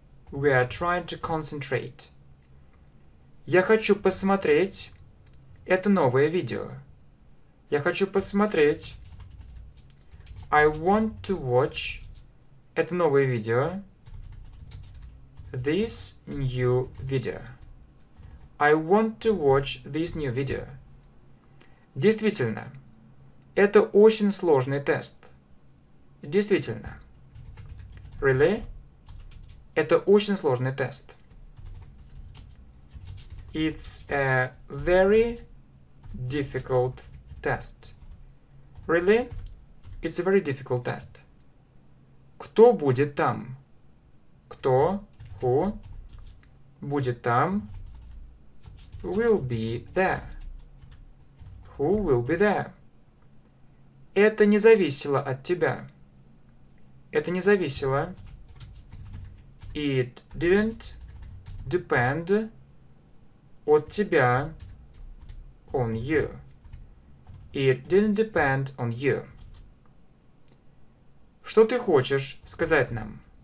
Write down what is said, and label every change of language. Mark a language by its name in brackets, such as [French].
[English] We are trying to concentrate. [Russian] Я хочу посмотреть это новое видео. Я хочу посмотреть. [English] I want to watch [Russian] это новое видео. [English] This new video. I want to watch this new video. [Russian] Действительно, это очень сложный тест. Действительно. [English] Really? [Russian] Это очень сложный тест. [English] It's a very difficult test. Really? It's a very difficult test. [Russian] Кто будет там? Кто? [English] Who? [Russian] Будет там? [English] Will be there. Who will be there? [Russian] Это не зависело от тебя. Это не зависело. [English] It didn't depend [Russian] от тебя [English] on you. It didn't depend on you. [Russian] Что ты хочешь сказать нам?